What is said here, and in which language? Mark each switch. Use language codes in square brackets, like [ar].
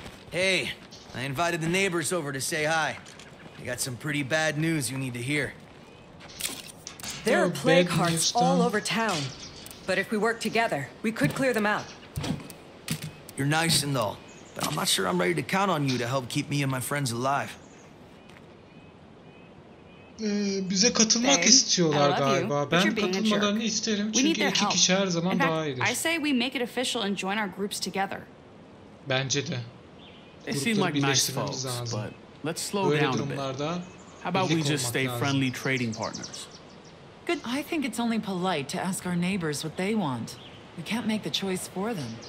[en] Hey, I invited the neighbors over to say hi. I got some pretty bad news you need to hear. There are plague hearts all over town. But if we work together, we could clear them out. You're nice and all, but I'm not sure I'm ready to count on you to help keep me and my friends alive. [tr] Bize katılmak istiyorlar galiba. Ben katılmalarını isterim çünkü iki kişi her zaman daha iyidir. [en] I say we make it official and join our groups together. [tr] Bence de. [en] It seems like nice folks, but let's slow down a bit. How about we just stay friendly trading partners? Good. I think it's only polite to ask our neighbors what they want. We can't make the choice for them.